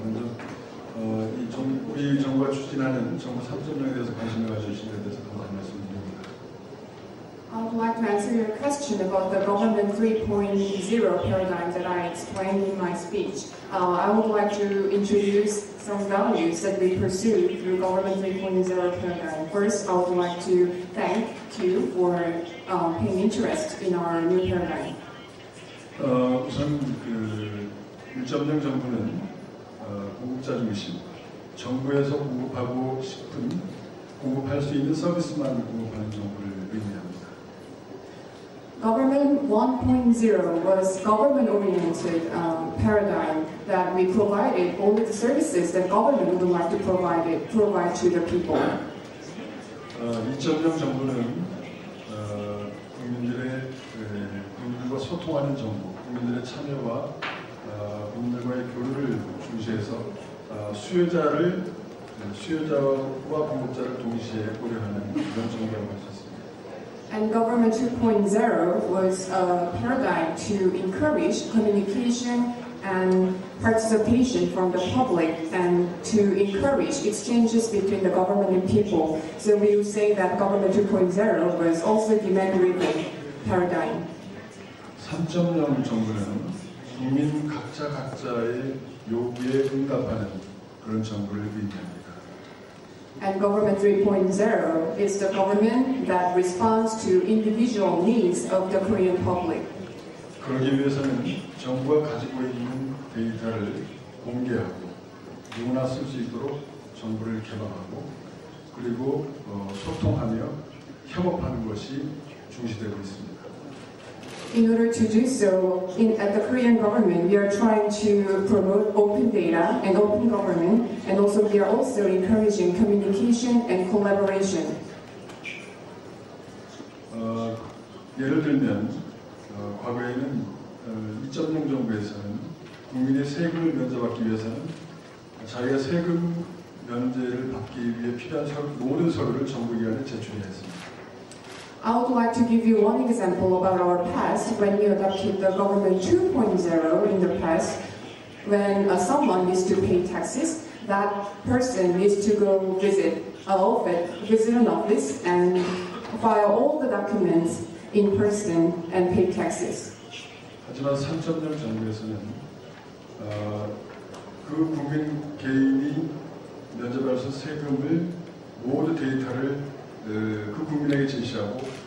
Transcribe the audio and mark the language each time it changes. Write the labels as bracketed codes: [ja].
[ko] 먼저 우리 정부가 추진하는 정부 3.0에 대해서 관심을 가지고 주신 데 대해서 감사드립니다. [en] I would like to answer your question about the government 3.0 paradigm that I explained in my speech. I would like to introduce some values that we pursue through government 3.0 paradigm. First, I would like to thank you for paying interest in our new paradigm. [ko] 우선 그 1.0 정부는 공급자 중심, 정부에서 공급하고 싶은 공급할 수 있는 서비스만 공급하는 정부를 의미합니다. [en] Government 1.0 was government-oriented paradigm that we provided all the services that government would like to provide to the people. [ko] 2.0 정부는 국민들의 국민들과 소통하는 정부. 국민들의 참여와 국민들과의 교류를 중시해서 수요자를 수요자와 공급자를 동시에 고려하는 그런 정부라고 할 수 있습니다. [en] And government 2.0 was a paradigm to encourage communication and participation from the public and to encourage exchanges between the government and people. So we would say that government 2.0 was also a demand-driven paradigm. [ko] 3.0 정부는 국민 각자 각자의 요구에 응답하는 그런 정부를 의미합니다. [en] And government 3.0 is the government that responds to individual needs of the Korean public. [ko] 그러기 위해서는 정부가 가지고 있는 데이터를 공개하고 누구나 쓸 수 있도록 정부를 개방하고 그리고 소통하며 협업하는 것이 중시되고 있습니다. [en] In order to do so, at the Korean government, we are trying to promote open data and open government, and also we are also encouraging communication and collaboration. [ko] 예를 들면, 과거에는 2.0 정부에서는 국민의 세금을 면제받기 위해서는 자기가 세금 면제를 받기 위해 필요한 모든 서류를 정부 기관에 제출해야 했습니다. [en] I would like to give you one example about our past when we adopted the government 2.0 in the past. When someone needs to pay taxes, that person needs to go visit an office and file all the documents in person and pay taxes. [ko] 하지만 3.0 정부에서는 그 국민 개인이 면제받은 세금을 모두 데이터를 그 국민에게 제시하고